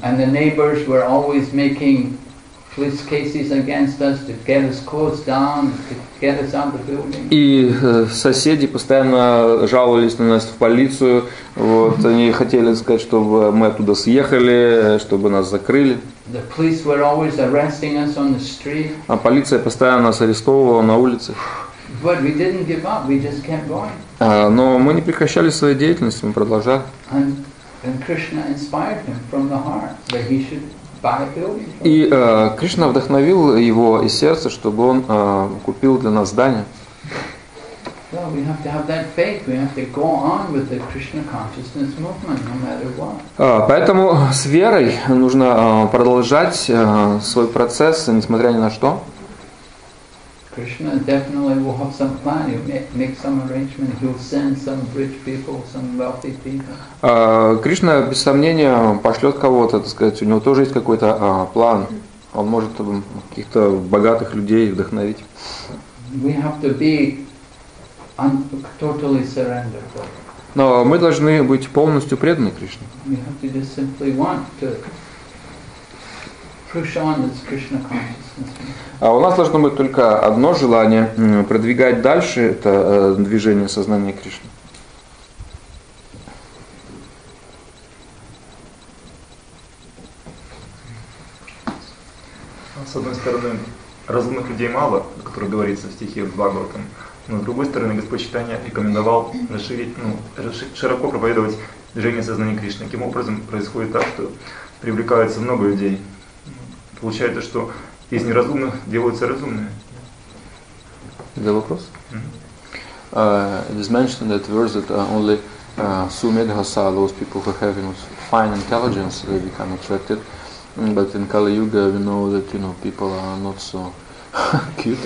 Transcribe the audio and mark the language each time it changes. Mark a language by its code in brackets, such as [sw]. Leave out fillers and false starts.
[en] And the neighbors were always making police cases against us, to get us closed down, to get us out of the building. [ru] И соседи постоянно жаловались на нас в полицию. Вот они хотели сказать, чтобы мы оттуда съехали, чтобы нас закрыли. [en] The police were always arresting us on the street. [ru] А полиция постоянно нас арестовывала на улице. [en] But we didn't give up, we just kept going. [ru] Но мы не прекращали свою деятельность, мы продолжали. [en] And Krishna inspired him from the heart that he should buy a building. [ru] И Кришна вдохновил его из сердца, чтобы он купил для нас здание. [en] Well, we have to have that faith. We have to go on with the Krishna consciousness movement, no matter what. [ru] Поэтому с верой нужно продолжать свой процесс, несмотря ни на что. [en] Krishna definitely will have some plan. He'll make some arrangement. He'll send some rich people, some wealthy people. [ru] Кришна без сомнения пошлет кого-то, так сказать. У него тоже есть какой-то план. Он может каких-то богатых людей вдохновить. [en] We have to be totally surrendered. [ru] Но мы должны быть полностью преданы Кришне. [en] We have to just simply want to push on this Krishna consciousness. [ru] А у нас должно быть только одно желание продвигать дальше это движение сознания Кришны. С одной стороны, разумных людей мало, о которых говорится в стихе Бхагаватам, но с другой стороны, Господь Чайтанья рекомендовал широко проповедовать движение сознания Кришны. Таким образом, происходит так, что привлекается много людей. Получается, что из неразумных делаются разумные. Это вопрос? [en] It is mentioned in that verse that only sumedhasa, those people who have fine intelligence, they become attracted. But in Kali Yuga, we know that people are not so cute.